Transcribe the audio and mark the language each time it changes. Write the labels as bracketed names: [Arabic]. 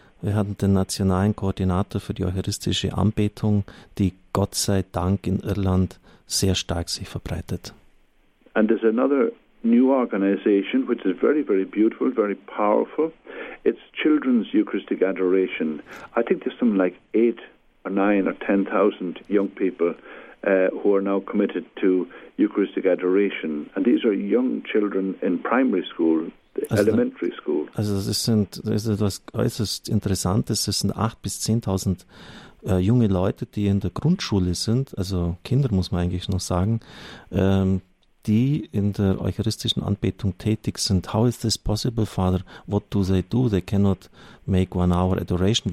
[German] Wir hatten den nationalen Koordinator für die eucharistische Anbetung, die Gott sei Dank in Irland sehr stark sich verbreitet. [English] And there's another new organization, which is very, very beautiful, very powerful. It's Children's Eucharistic Adoration. I think there's something like 8,000 or 9,000 or 10,000 young people who are now committed to Eucharistic Adoration. And these are young children in primary school, elementary school. [German] Also das ist etwas äußerst Interessantes. Es sind 8,000 bis 10,000 junge Leute, die in der Grundschule sind, also Kinder muss man eigentlich noch sagen, die in der eucharistischen Anbetung tätig sind. [English] How is this possible, Father? What do they do? They cannot make 1 hour adoration.